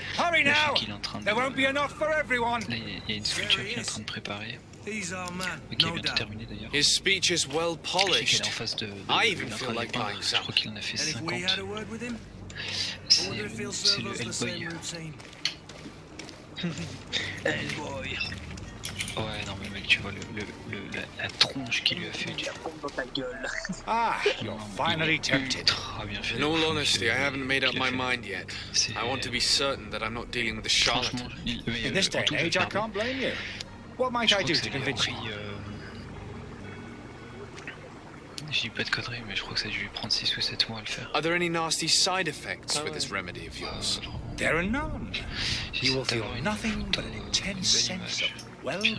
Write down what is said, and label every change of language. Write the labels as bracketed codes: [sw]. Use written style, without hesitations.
[en] Hurry now. There won't be enough for everyone. These are men. No doubt. His speech is well polished. I even feel like buying some. And if we had a word with him, would it feel serve us the same routine? Elboy. [fr] Ouais, non mais mec, tu vois la tronche qu'il lui a fait. [en] Ah, you're finally tempted. In all honesty, I haven't made up my mind yet. I want to be certain that I'm not dealing with a charlatan. In this day and age, I can't blame you. What might I do to convince you? [fr] J'ai pas de conneries, mais je crois que ça a dû lui prendre 6 ou 7 mois à le faire. [en] Are there any nasty side effects with this remedy of yours? There are none. You will feel nothing but an intense sense of well-being.